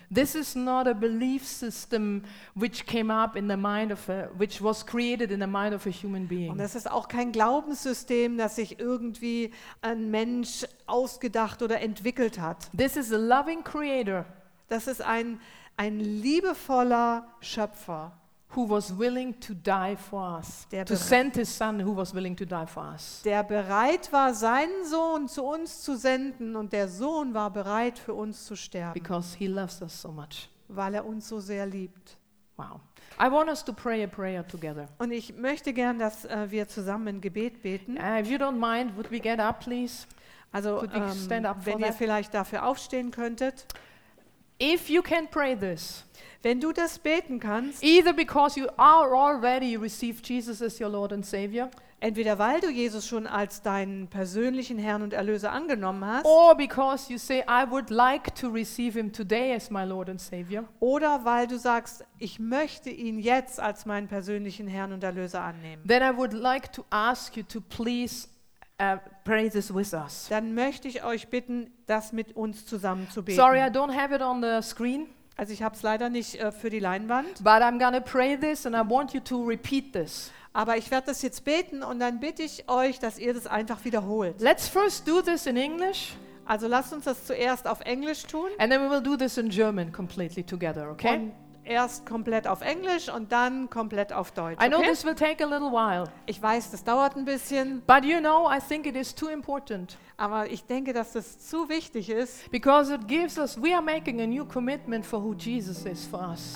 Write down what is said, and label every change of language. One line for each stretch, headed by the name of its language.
English: This is not a belief system which came up in the mind of a, which was created in the mind of a human being.
German: Und das ist auch kein Glaubenssystem, das sich irgendwie ein Mensch ausgedacht oder entwickelt hat.
English: This is a loving creator.
German: Das ist ein liebevoller Schöpfer.
English: Who was willing to die for us? To send his son, who was willing to die for us?
German: Der bereit war, seinen Sohn zu uns zu senden, und der Sohn war bereit, für uns zu sterben.
English: Because he loves us so much.
German: Weil er uns so sehr liebt.
English: Wow. I want us to pray a prayer together.
German: Und ich möchte gern, dass wir zusammen ein Gebet beten.
English: If you don't mind, would we get up, please?
German: Also, wenn ihr vielleicht dafür aufstehen könntet.
English: If you can pray this.
German: Wenn du das beten kannst,
English: either because you are already received Jesus as your Lord and Savior,
German: entweder weil du Jesus schon als deinen persönlichen Herrn und Erlöser angenommen hast,
English: or because you say I would like to receive him today as my Lord and Savior,
German: oder weil du sagst, ich möchte ihn jetzt als meinen persönlichen Herrn und Erlöser annehmen,
English: then I would like to ask you to please pray this with us.
German: Dann möchte ich euch bitten, das mit uns zusammen zu beten.
English: Sorry, I don't have it on the screen.
German: Also ich habe es leider nicht für die Leinwand.
English: But I'm gonna pray this and I want you to repeat this.
German: Aber ich werde das jetzt beten und dann bitte ich euch, dass ihr das einfach wiederholt.
English: Let's first do this in English.
German: Also lasst uns das zuerst auf Englisch tun.
English: And then we will do this in German completely together, okay?
German: Und erst komplett auf Englisch und dann komplett auf Deutsch.
English: I know this will take a little while.
German: Ich weiß, das dauert ein bisschen.
English: But you know, I think it is too important.
German: Aber ich denke, dass das zu wichtig ist.
English: Because it gives us, we are making a new commitment for who Jesus is for us.